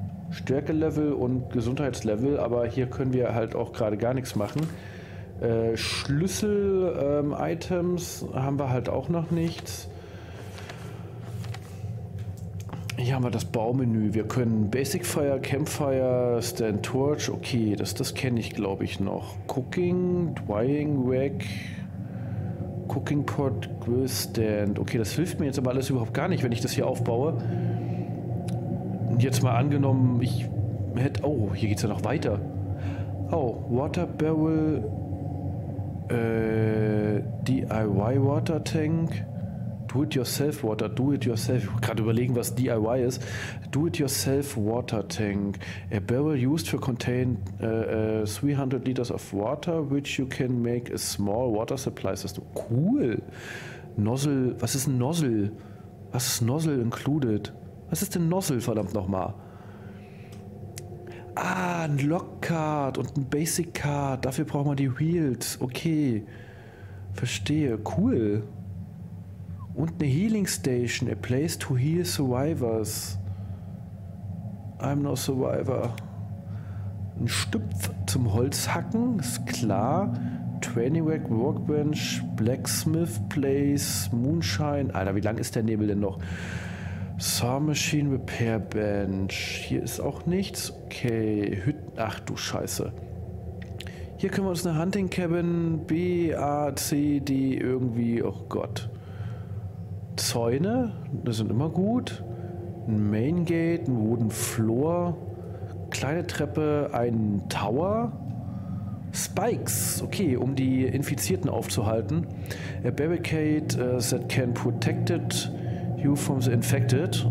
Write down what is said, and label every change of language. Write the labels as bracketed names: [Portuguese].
[German] Stärke-Level und Gesundheitslevel, aber hier können wir halt auch gerade gar nichts machen. Schlüssel-Items haben wir halt auch noch nichts. Hier haben wir das Baumenü. Wir können Basic Fire, Campfire, Stand Torch. Okay, das kenne ich, glaube ich, noch. [English] Cooking, Drying Rack, Cooking Pot, Grill Stand. [German] Okay, das hilft mir jetzt aber alles überhaupt gar nicht, wenn ich das hier aufbaue. Und jetzt mal angenommen, ich hätte. Oh, hier geht es ja noch weiter. Oh, Water Barrel. [English] DIY Water Tank. Do-it-yourself Water, do-it-yourself. [German] Ich wollte gerade überlegen, was DIY ist. [English] Do-it-yourself Water Tank. A barrel used for contain 300 liters of water, which you can make a small water supply system. [German] Cool. Nozzle. Was ist ein Nozzle? Was ist Nozzle included? Was ist denn Nozzle, verdammt nochmal? Ah, ein Lockcard und ein Basiccard. Dafür braucht man die Wheels. Okay. Verstehe. Cool. Und eine Healing Station, [English] a place to heal survivors. I'm no survivor. [German] Ein Stüpf zum Holzhacken, ist klar. [English] Training Rack, Workbench, Blacksmith Place, Moonshine. [German] Alter, wie lang ist der Nebel denn noch? Saw Machine Repair Bench. Hier ist auch nichts. Okay, Hütten. Ach du Scheiße. Hier können wir uns eine Hunting Cabin B, A, C, D irgendwie. Oh Gott. Zäune, das sind immer gut. Ein Main Gate, ein Wooden Floor, kleine Treppe, ein Tower. Spikes, okay, um die Infizierten aufzuhalten. [English] A barricade that can protect you from the infected.